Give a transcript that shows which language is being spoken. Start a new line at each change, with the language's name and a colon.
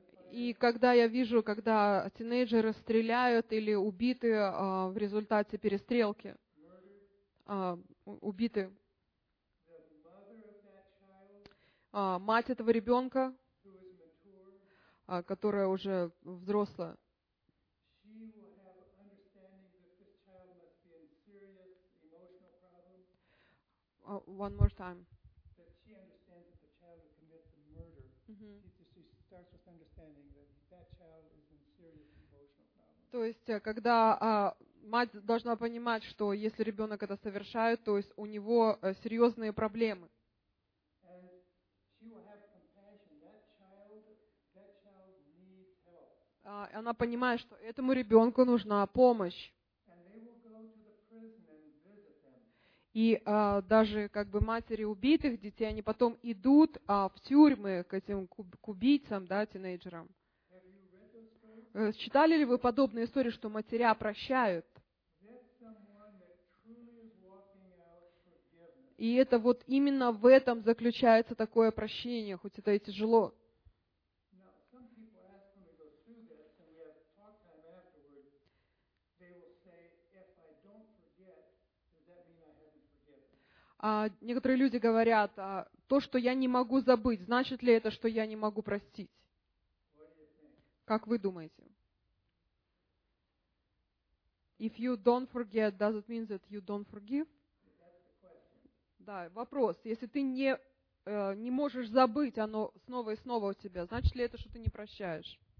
Russian: И когда я вижу, когда тинейджеры стреляют или убиты в результате перестрелки, убиты, мать этого ребенка, которая уже взрослая,
English: one more time. That she understands that the child who commits the murder. Mm-hmm. She starts with understanding that that child is in serious emotional problems.
Russian: То есть, когда мать должна понимать, что если ребенок это совершает, то есть у него серьезные проблемы.
English: And
Russian: она понимает, что этому ребенку нужна помощь. И даже как бы матери убитых детей, они потом идут в тюрьмы к этим к убийцам, да, тинейджерам. Читали ли вы подобные истории, что матеря прощают? И это вот именно в этом заключается такое прощение, хоть это и тяжело. Некоторые люди говорят, то, что я не могу забыть, значит ли это, что я не могу простить? Как вы думаете?
English: If you don't forget, does it mean that you don't forgive?
Russian: Да, вопрос. Если ты не можешь забыть, оно снова и снова у тебя, значит ли это, что ты не прощаешь?